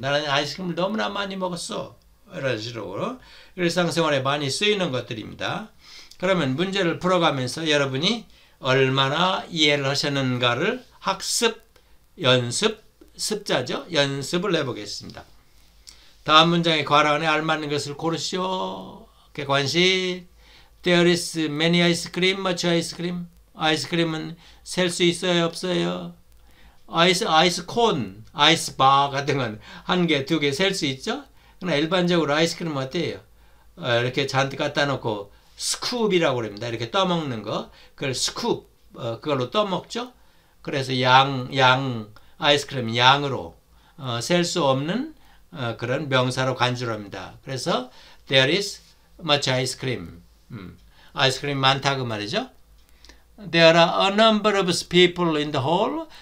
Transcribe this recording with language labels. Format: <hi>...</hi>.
<ko>나는 아이스크림을 너무나 많이 먹었어. 이런 식으로 일상생활에 많이 쓰이는 것들입니다. 그러면 문제를 풀어가면서 여러분이 얼마나 이해를 하셨는가를 학습, 연습, 습자죠? 연습을 해보겠습니다. 다음 문장의 괄호 안에 알맞는 것을 고르시오. 객관식.</ko> <en>There is many ice cream, much ice cream.</en> <ko>아이스크림은 셀수 있어요, 없어요? 아이스콘, 아이스바 같은 건한 개, 두개셀수 있죠? 그러나 일반적으로 아이스크림 어때요? 이렇게 잔뜩 갖다 놓고 스쿱이라고 그럽니다. 이렇게 떠먹는 거. 그걸 스쿱, 그걸로 떠먹죠? 그래서 아이스크림 양으로 셀수 없는 그런 명사로 간주합니다. 그래서</ko> <en>there is much ice cream.</en> <ko>아이스크림 많다 그 말이죠.</ko> <en>There are a number of people in the hall.</en>